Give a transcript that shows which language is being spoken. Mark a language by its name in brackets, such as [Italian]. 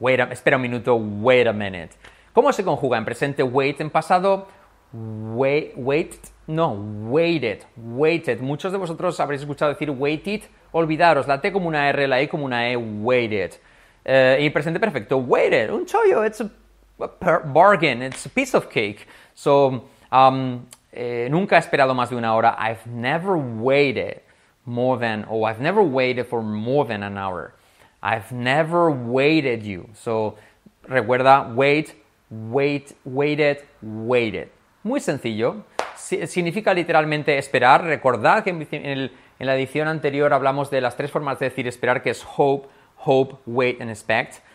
[Spanish] Espera un minuto, [English] wait a minute. [Spanish] ¿Cómo se conjuga en presente wait? En pasado, waited. Muchos de vosotros habréis escuchado decir waited. Olvidaros, la T como una R, la E como una E, waited. Y presente perfecto, waited. Un chollo, [English] it's a bargain, it's a piece of cake. [Spanish] So, nunca he esperado más de una hora. [English] I've never waited more than, I've never waited for more than an hour. I've never waited you. So, [Spanish] recuerda, [English] waited. [Spanish] Muy sencillo. Significa literalmente esperar. Recordad que en la edición anterior hablamos de las tres formas de decir esperar, que es hope, wait and expect.